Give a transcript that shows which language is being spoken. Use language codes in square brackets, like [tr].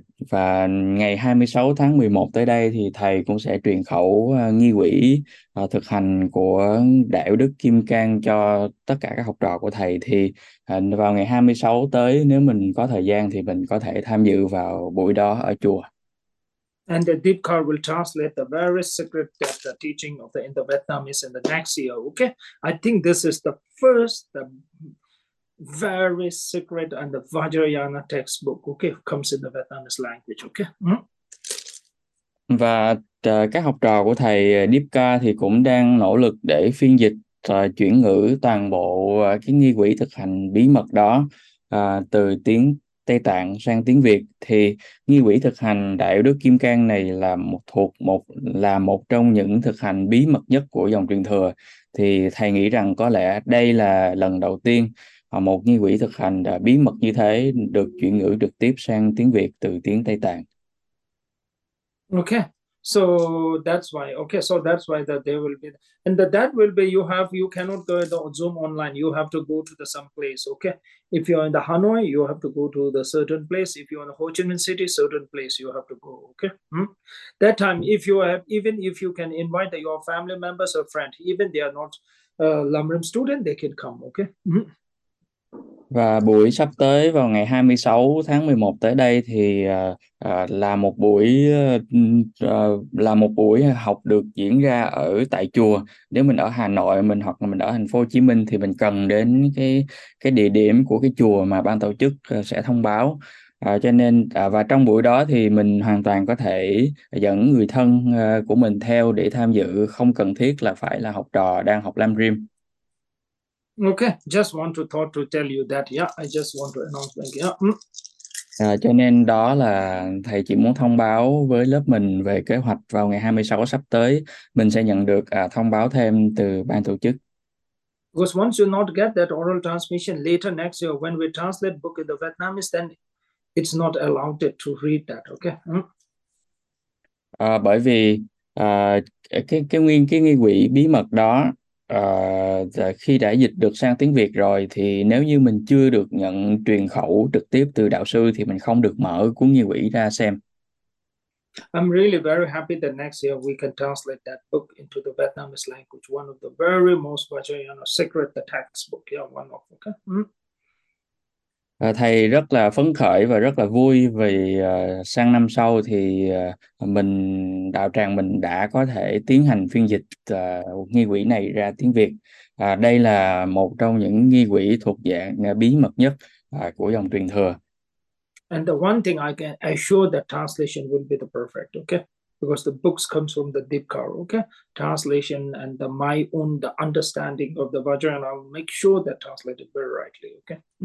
[vi] Và ngày 26 tháng 11 tới đây thì thầy cũng sẽ truyền khẩu nghi quỹ thực hành của Đại Uy Đức Kim Cang cho tất cả các học trò của thầy. Thì vào ngày 26 tới, nếu mình có thời gian thì mình có thể tham dự vào buổi đó ở chùa. [en] And the deep card will translate the very secret that the teaching of the in the Vietnamese in the next year. Okay, I think this is the first the very secret and the Vajrayana textbook. Okay, comes in the Vietnamese language. Okay. [vi] Và các học trò của thầy Dipka thì cũng đang nỗ lực để phiên dịch chuyển ngữ toàn bộ cái nghi quỹ thực hành bí mật đó từ tiếng Tây Tạng sang tiếng Việt. Thì nghi quỹ thực hành Đại Đức Kim Cang này là một trong những thực hành bí mật nhất của dòng truyền thừa. Thì thầy nghĩ rằng có lẽ đây là lần đầu tiên một nghi quỹ thực hành đã bí mật như thế được chuyển ngữ trực tiếp sang tiếng Việt từ tiếng Tây Tạng. [en] Okay, so that's why. Okay, so that's why that there will be, and that will be. You have, you cannot go to Zoom online. You have to go to the some place. Okay, if you are in the Hanoi, you have to go to the certain place. If you are in Ho Chi Minh City, certain place you have to go. Okay, That time, if you have, even if you can invite your family members or friend, even they are not Lamrim student, they can come. Okay. [vi] Và buổi sắp tới vào ngày 26 tháng 11 tới đây thì là một buổi học được diễn ra ở tại chùa. Nếu mình ở Hà Nội mình hoặc là mình ở thành phố Hồ Chí Minh thì mình cần đến cái địa điểm của cái chùa mà ban tổ chức sẽ thông báo. Cho nên và trong buổi đó thì mình hoàn toàn có thể dẫn người thân của mình theo để tham dự, không cần thiết là phải là học trò đang học Lam Rim. [en] Okay, just want to thought to tell you that. Yeah, I just want to announce that. Yeah. [vi] Cho nên đó là thầy chỉ muốn thông báo với lớp mình về kế hoạch vào ngày 26 sắp tới. Mình sẽ nhận được thông báo thêm từ ban tổ chức. [en] Because once you not get that oral transmission later next year, when we translate book in the Vietnamese, then it's not allowed it to read that. Okay. [vi] Bởi vì cái nghi quỹ bí mật đó khi đã dịch được sang tiếng Việt rồi thì nếu như mình chưa được nhận truyền khẩu trực tiếp từ đạo sư thì mình không được mở cuốn nghi quỹ ra xem. [en] I'm really very happy that next year we can translate that book into the Vietnamese language, one of the very most Vajrayana secret the textbook. Yeah, one of, okay. [vi] Thầy rất là phấn khởi và rất là vui vì sang năm sau thì đạo tràng mình đã có thể tiến hành phiên dịch nghi quỹ này ra tiếng Việt. Đây là một trong những nghi quỹ thuộc dạng bí mật nhất của dòng truyền thừa. [en] And the one thing I can assure that translation will be the perfect, okay? Because the books comes from the Dipkar, okay? Translation and the my own the understanding of the Vajrayana, I'll make sure that translated very rightly, okay?